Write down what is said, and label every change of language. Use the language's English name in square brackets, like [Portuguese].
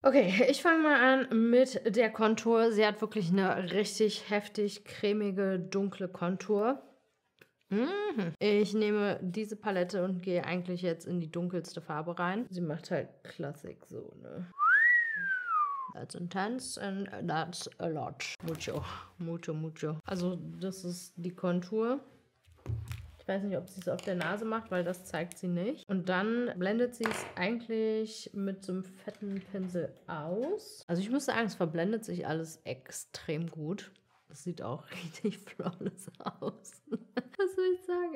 [German] Okay, ich fange mal an mit der Kontur. Sie hat wirklich eine richtig heftig cremige, dunkle Kontur. Ich nehme diese Palette und gehe eigentlich jetzt in die dunkelste Farbe rein. Sie macht halt Klassik so, ne? [English] That's intense and that's a lot. [Spanish] Mucho, mucho, mucho. [German] Also das ist die Kontur. Ich weiß nicht, ob sie es auf der Nase macht, weil das zeigt sie nicht. Und dann blendet sie es eigentlich mit so einem fetten Pinsel aus. Also ich muss sagen, es verblendet sich alles extrem gut. Das sieht auch richtig flawless aus. Was soll ich sagen?